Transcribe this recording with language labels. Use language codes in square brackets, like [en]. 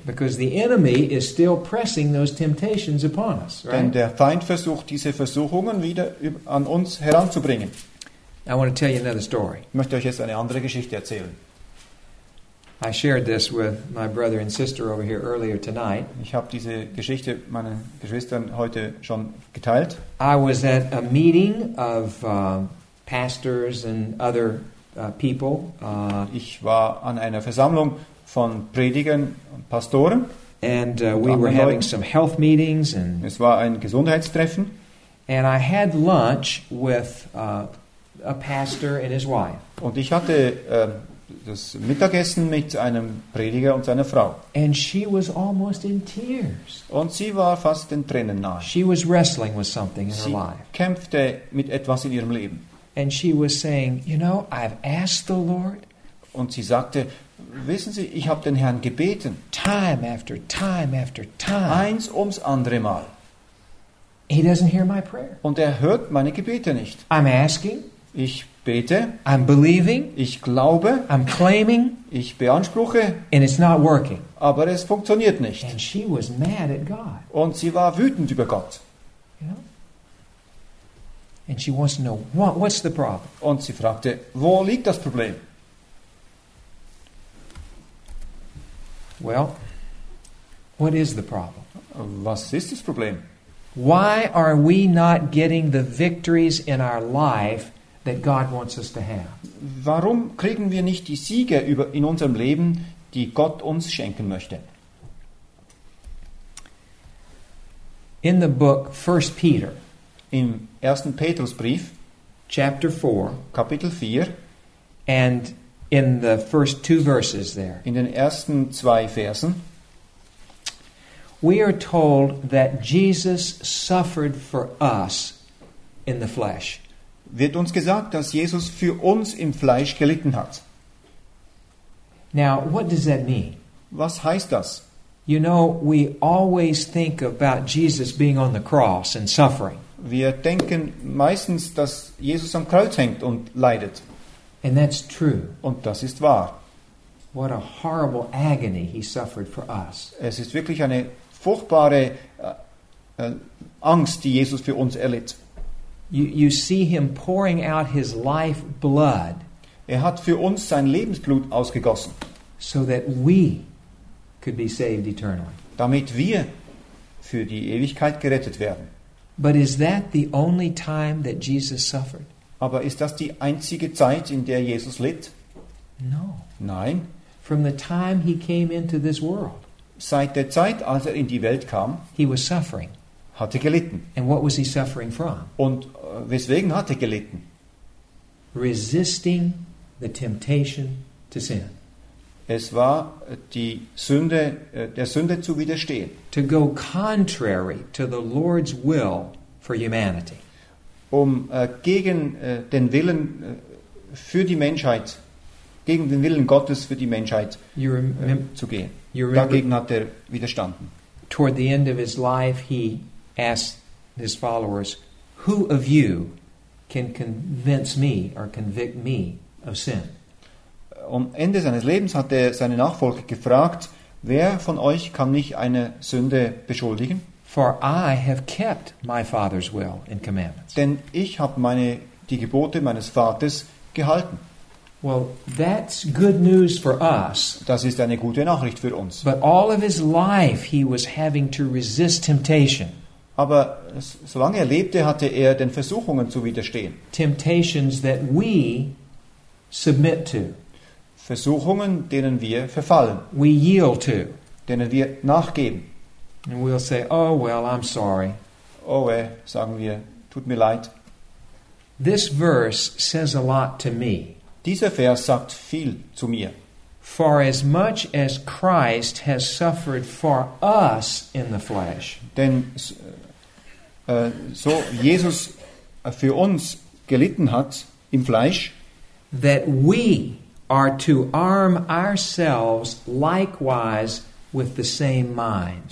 [en] Because the enemy is still pressing those temptations upon us. Right? [de] Denn der Feind versucht, diese Versuchungen wieder an uns heranzubringen. [en] I want to tell you another story. [de] Ich möchte euch jetzt eine andere Geschichte erzählen. [en] I shared this with my brother and sister over here earlier tonight. [de] Ich habe diese Geschichte meinen Geschwistern heute schon geteilt. [en] I was at a meeting of pastors and other people. [de] Ich war an einer Versammlung von Predigern und Pastoren. [en] And we were having some health meetings. And [de] es war ein Gesundheitstreffen. [en] And I had lunch with a pastor and his wife. [de] Und ich hatte das Mittagessen mit einem Prediger und seiner Frau. [en] And she was almost in tears. [de] Und sie war fast in Tränen nahe. [en] She was wrestling with something in her life. [de] Sie kämpfte mit etwas in ihrem Leben. [en] And she was saying, you know, I've asked the Lord. [de] Und sie sagte, wissen Sie, ich habe den Herrn gebeten. [en] Time after time after time. [de] Eins ums andere Mal. [en] He doesn't hear my prayer. [de] Und er hört meine Gebete nicht. [en] I'm asking. [de] Ich bete. [en] I'm believing. [de] Ich glaube. [en] I'm claiming. [de] Ich beanspruche. [en] And it's not working. [de] Aber es funktioniert nicht. [en] And she was mad at God. [de] Und sie war wütend über Gott. [en] You know? And she wants to know what's the problem. [de] Und sie fragte, wo liegt das Problem? [en] Well, what is the problem? [de] Was ist das Problem? [en] Why are we not getting the victories in our life that God wants us to have? [de] Warum kriegen wir nicht die Siege über in unserem Leben, die Gott uns schenken möchte? [en] In the book 1 Peter, [de] im ersten Petrusbrief, [en] chapter 4, [de] Kapitel 4, [en] and in the first two verses there, [de] in den ersten zwei Versen, [en] we are told that Jesus suffered for us in the flesh. [de] Wird uns gesagt, dass Jesus für uns im Fleisch gelitten hat. [en] Now, what does that mean? [de] Was heißt das? [en] You know, we always think about Jesus being on the cross and suffering. [de] Wir denken meistens, dass Jesus am Kreuz hängt und leidet. [en] And that's true. [de] Und das ist wahr. [en] What a horrible agony he suffered for us. [de] Es ist wirklich eine furchtbare Angst, die Jesus für uns erlitt. [en] You see him pouring out his life blood. [de] Er hat für uns sein Lebensblut ausgegossen. [en] So that we could be saved eternally. [de] Damit wir für die Ewigkeit gerettet werden. [en] But is that the only time that Jesus suffered? [de] Aber ist das die einzige Zeit, in der Jesus litt? [en] No. [de] Nein. [en] From the time he came into this world. [de] Seit der Zeit, als er in die Welt kam, [en] he was suffering. [de] Hat er gelitten. [en] And what was he suffering from? [de] Und weswegen hat er gelitten? [en] Resisting the temptation to sin. [de] Es war die Sünde, der Sünde zu widerstehen. [en] To go contrary to the Lord's will for humanity. [de] Um gegen den Willen für die Menschheit, gegen den Willen Gottes für die Menschheit zu gehen. Dagegen hat er widerstanden. [en] Toward the end of his life, he asked his followers, "Who of you can convince me or convict me of sin?" [de] Am Ende seines Lebens hat er seine Nachfolger gefragt, wer von euch kann mich einer Sünde beschuldigen? [en] For I have kept my father's will and commandments. [de] Denn ich habe die Gebote meines Vaters gehalten. [en] Well, that's good news for us. [de] Das ist eine gute Nachricht für uns. [en] But all of his life he was having to resist temptation. [de] Aber solange er lebte, hatte er den Versuchungen zu widerstehen. [en] Temptations that we submit to. [de] Versuchungen, denen wir verfallen. [en] We yield to. [de] Denen wir nachgeben. [en] And we'll say, oh well, I'm sorry. [de] Oh weh, sagen wir, tut mir leid. [en] This verse says a lot to me. [de] Dieser Vers sagt viel zu mir. [en] For as much as Christ has suffered for us in the flesh. [de] Denn so Jesus für uns gelitten hat im Fleisch. [en] That we are to arm ourselves likewise with the same mind.